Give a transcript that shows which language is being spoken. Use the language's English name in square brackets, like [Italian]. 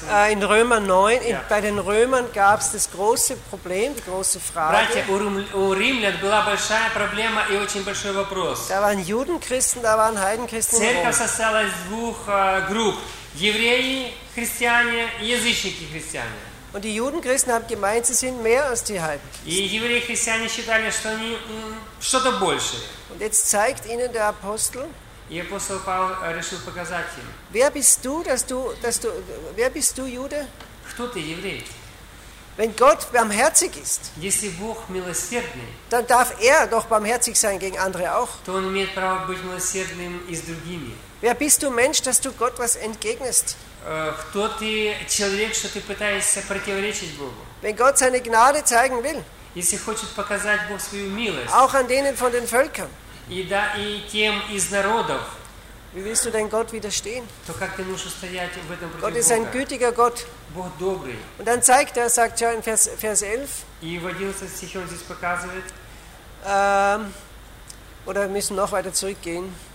[German] In Römer 9, bei den Römern gab es das große Problem, die große Frage. [Russian] Братья, у Римлян была большая проблема и очень большой вопрос. [German] Da waren Judenchristen, da waren Heidenchristen. [Russian] Церковь состояла из двух групп. Евреи, христиане, язычники, христиане. [German] Und die Judenchristen haben gemeint, sie sind mehr als die Heiden. [Russian] И евреи, христиане считали, что они что-то большее. [German] Und jetzt zeigt ihnen der Apostel. [Russian] И апостол Павел решил показать им. [German] Wer bist du, dass du, wer bist du, Jude? [Russian] Кто ты, еврей? [German] Wenn Gott barmherzig ist, [Russian] если Бог милосердный, [German] dann darf doch barmherzig sein gegen andere auch. [Russian] То он имеет право быть милосердным и с другими. [German] Wer bist du, Mensch, dass du Gott was entgegnest? [Russian] Кто ты, человек, что ты пытаешься противоречить Богу? [German] Wenn Gott seine Gnade zeigen will, [Russian] если хочет показать Бог свою милость, [German] auch an denen von den Völkern, [Russian] и тем из народов, [German] wie willst du denn Gott widerstehen? [Russian] То как ты можешь устоять в этом против Бога? [German] Gott ist ein gütiger Gott. [Russian] Бог добрый. [German] Und dann zeigt er, sagt ja in Vers 11, [Russian] и в 11 стихе он здесь показывает, [German] oder wir müssen noch weiter zurückgehen,